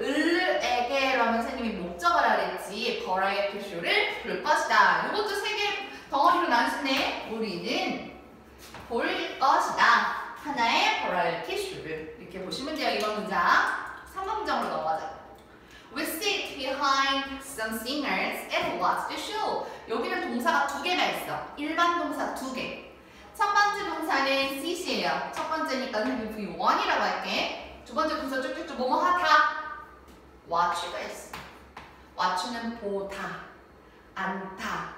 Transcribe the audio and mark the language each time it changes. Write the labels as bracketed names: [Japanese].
[Korean] 을에게 라면 선생님이 목적을 알았지 버라이어티 쇼를 부를 것이다. 이것도 세 개 덩어리로 나누시네. 우리는 볼 것이다. 하나의 버라이어티 쇼를 이렇게 보시면 돼요. 이번 문장 3번문장으로 넘어가자. [English] We sit behind some singers and watch the show. [Korean] 여기는 동사가 두 개가 있어. 일반 동사 두 개. 첫 번째 동사는 sit이에요. 첫 번째니까 선생님 V1이라고 할게. 두 번째 동사 쭉쭉쭉 뭐뭐 하다. Watch가 있어. Watch는 보다. 안다.